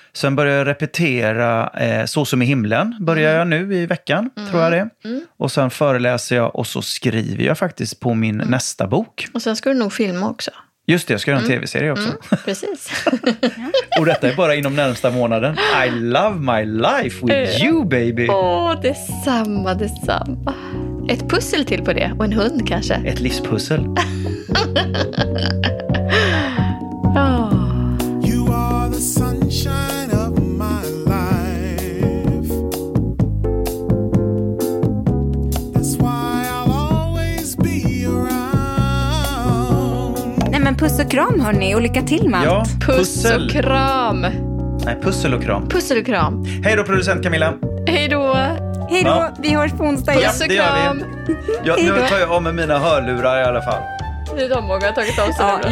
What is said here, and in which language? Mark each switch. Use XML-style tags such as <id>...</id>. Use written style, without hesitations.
<sv>Sen börjar jag repetera Så som i himlen. Börjar jag nu i veckan, tror jag det. Mm. Och sen föreläser jag och så skriver jag faktiskt på min nästa bok. Och sen ska du nog filma också. Just det, jag ska göra en tv-serie också. Mm, precis. Och detta är bara inom närmsta månaden.</sv> <en>I love my life with you, baby.</en> <sv>Åh, detsamma, detsamma. Ett pussel till på det. Och en hund, kanske. Ett livspussel.</sv> <en>You are the sunshine of my life. That's why I'll always be around.</en> <sv>Nej, men puss och kram, hörni. Och lycka till med ja, pussel och kram. Nej, pussel och kram. Pussel och kram. Hej då, producent Camilla. Hej då. Hej då, ja. Vi hörs på onsdag. Puss och kram. Ja, nu tar jag av med mina hörlurar i alla fall. Det är de många jag har tagit av sig.</sv>